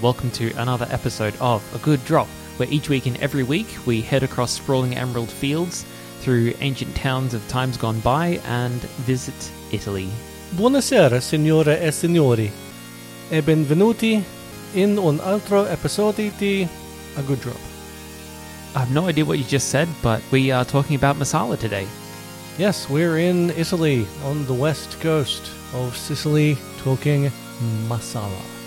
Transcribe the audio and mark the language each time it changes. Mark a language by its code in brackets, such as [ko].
[en] Welcome to another episode of A Good Drop, where each week and every week we head across sprawling emerald fields through ancient towns of times gone by and visit Italy. [it] Buonasera, signore e signori, e benvenuti in un altro episodio di A Good Drop. [en] I have no idea what you just said, but we are talking about Marsala today. Yes, we're in Italy, on the west coast of Sicily, talking Marsala.